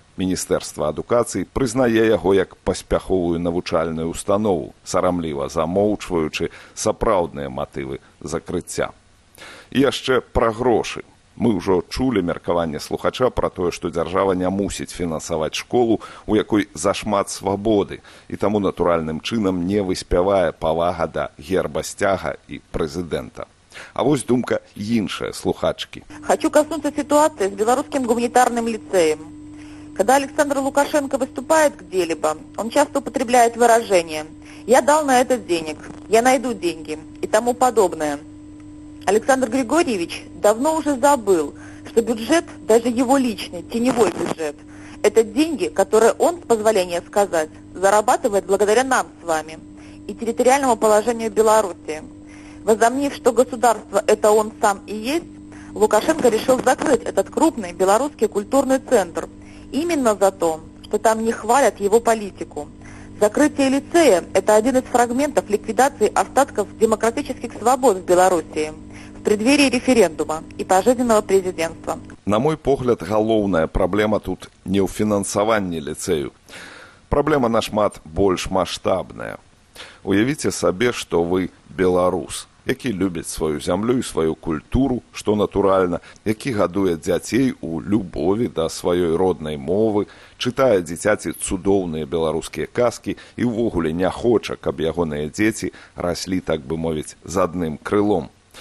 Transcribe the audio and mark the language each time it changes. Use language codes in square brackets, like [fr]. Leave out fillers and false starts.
[be] Міністэрства адукацыі прызнае яго як паспяховую навучальную ўстанову, сарамліва замоўчваючы сапраўдныя матывы закрыцця. І яшчэ пра грошы. Мы ўжо чулі меркаванне слухача пра тое, што дзяржава не мусіць фінансаваць школу, у якой зашмат свабоды, і таму натуральным чынам не выспявае павага да герба сцяга і прэзідэнта. А вось думка іншая слухачкі. Хачу коснуцца сітуацыі з беларускім гуманітарным ліцэем. [ru] Когда Александр Лукашенко выступает где-либо, он часто употребляет выражение «я дал на это денег», «я найду деньги» и тому подобное. Александр Григорьевич давно уже забыл, что бюджет, даже его личный, теневой бюджет, это деньги, которые он, с позволения сказать, зарабатывает благодаря нам с вами и территориальному положению Беларуси. Возомнив, что государство – это он сам и есть, Лукашенко решил закрыть этот крупный белорусский культурный центр – именно за то, что там не хвалят его политику. Закрытие лицея – это один из фрагментов ликвидации остатков демократических свобод в Беларуси в преддверии референдума и пожизненного президентства. [be] На мой погляд, головная проблема тут не у финансования лицею. Проблема нашмат больш масштабная. [ru] Уявите себе, что вы белорус, [be] які любіць сваю зямлю і сваю культуру, што натуральна, які гадуе дзяцей у любові да сваёй роднай мовы, чытае дзіцяці цудоўныя беларускія казкі і ўвогуле не хоча, каб ягоныя дзеці раслі, так бы мовіць, з адным крылом.